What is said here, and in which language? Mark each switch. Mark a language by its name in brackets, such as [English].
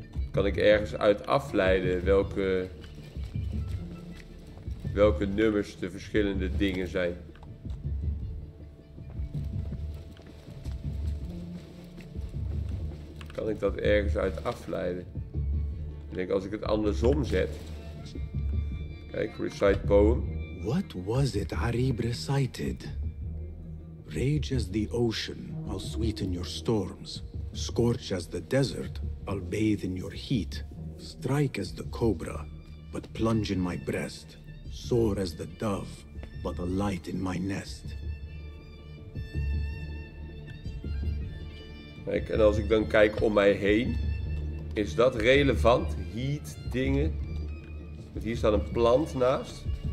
[Dutch] Kan ik ergens uit afleiden welke nummers de verschillende dingen zijn? Kan ik dat ergens uit afleiden? Ik denk als ik het andersom zet. [English] Kijk, recite poem. What was it Arib recited? Rage as the ocean, I'll sweeten your storms. Scorch as the desert, I'll bathe in your heat. Strike as the cobra, but plunge in my breast. Soar as the dove, but alight in my nest. [Dutch] Kijk, en als ik dan kijk om mij heen. Is dat relevant? Heat, dingen. Want hier staat een plant naast.